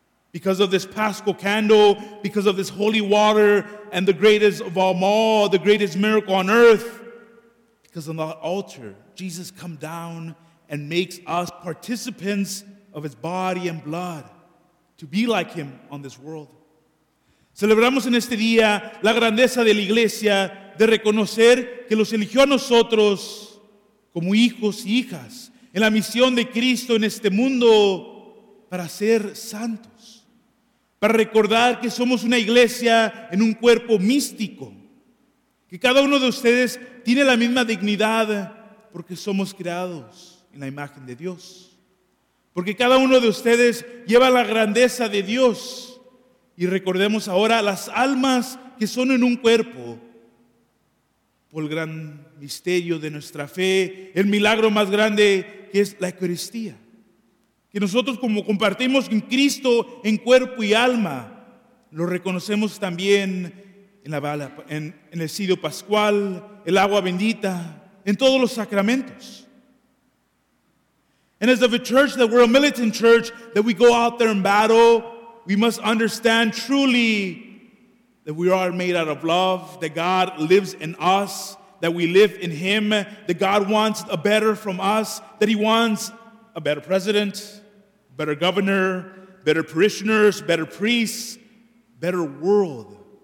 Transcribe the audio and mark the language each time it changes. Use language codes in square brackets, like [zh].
[en] because of this Paschal candle, because of this holy water, and the greatest of all, the greatest miracle on earth, because on the altar, Jesus come down and makes us participants of his body and blood to be like him on this world. [es] Celebramos en este día la grandeza de la iglesia de reconocer que los eligió a nosotros como hijos y hijas en la misión de Cristo en este mundo para ser santos, para recordar que somos una iglesia en un cuerpo místico, que cada uno de ustedes tiene la misma dignidad porque somos creados en la imagen de Dios, porque cada uno de ustedes lleva la grandeza de Dios. Y recordemos ahora las almas que son en un cuerpo, por el gran misterio de nuestra fe, el milagro más grande que es la Eucaristía. Que nosotros como compartimos en Cristo en cuerpo y alma, lo reconocemos también en el sido pascual, el agua bendita, en todos los sacramentos. [en] And as of a church that we're a militant church, that we go out there in battle, we must understand truly that we are made out of love, that God lives in us, that we live in Him, that God wants a better from us, that He wants a better president, better governor, better parishioners, better priests, better world.